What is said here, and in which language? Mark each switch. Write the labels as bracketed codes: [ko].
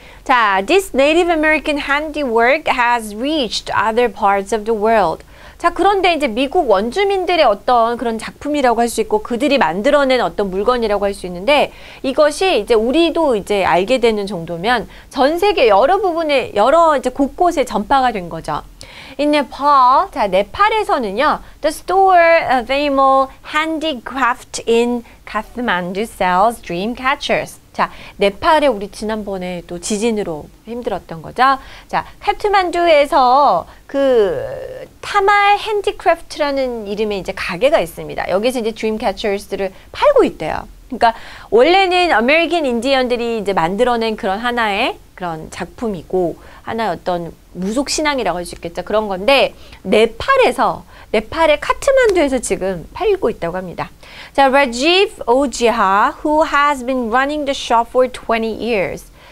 [en] 자, this Native American handiwork has reached other parts of the world. [ko] 자, 그런데 이제 미국 원주민들의 어떤 그런 작품이라고 할 수 있고 그들이 만들어낸 어떤 물건이라고 할 수 있는데 이것이 이제 우리도 이제 알게 되는 정도면 전 세계 여러 부분에 여러 이제 곳곳에 전파가 된 거죠. [en] In Nepal, 자, [ko] 네팔에서는요, [en] the store of famous handicraft in Kathmandu sells dream catchers. [ko] 자, 네팔에 우리 지난번에 또 지진으로 힘들었던 거죠. 자, 카트만두에서 그 타말 핸디크래프트라는 이름의 이제 가게가 있습니다. 여기서 이제 드림 캐처스를 팔고 있대요. 그러니까 원래는 아메리칸 인디언들이 이제 만들어낸 그런 하나의 그런 작품이고 하나의 어떤 무속 신앙이라고 할 수 있겠죠. 그런 건데 네팔의 카트만두에서 지금 팔고 있다고 합니다. [en] 자, Rajiv Ojiha, who has been running the shop for 20 years.